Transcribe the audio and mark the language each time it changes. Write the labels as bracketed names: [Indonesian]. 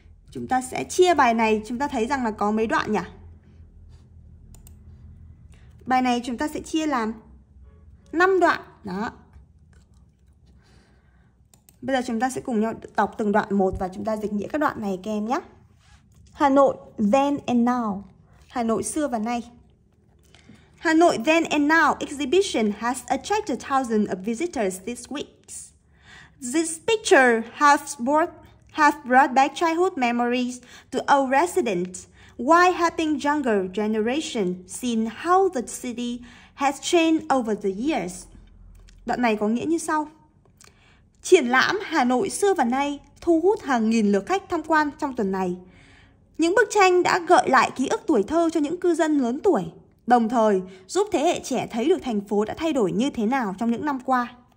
[Vietnamese] Chúng ta sẽ chia bài này, chúng ta thấy rằng là có mấy đoạn nhỉ? Bài này chúng ta sẽ chia làm 5 đoạn, đó. Bây giờ chúng ta sẽ cùng nhau đọc từng đoạn một và chúng ta dịch nghĩa các đoạn này kèm nhé. [English] Hà Nội Then and Now. [Vietnamese] Hà Nội xưa và nay. [English] Hà Nội Then and Now exhibition has attracted thousands of visitors this week. This picture has brought back childhood memories to old residents. Why helping younger generation seen how the city has changed over the years? [Vietnamese] Đoạn này có nghĩa như sau. Triển lãm Hà Nội xưa và nay thu hút hàng nghìn lượt khách tham quan trong tuần này. Những bức tranh đã gợi lại ký ức tuổi thơ cho những cư dân lớn tuổi, đồng thời giúp thế hệ trẻ thấy được thành phố đã thay đổi như thế nào trong những năm qua.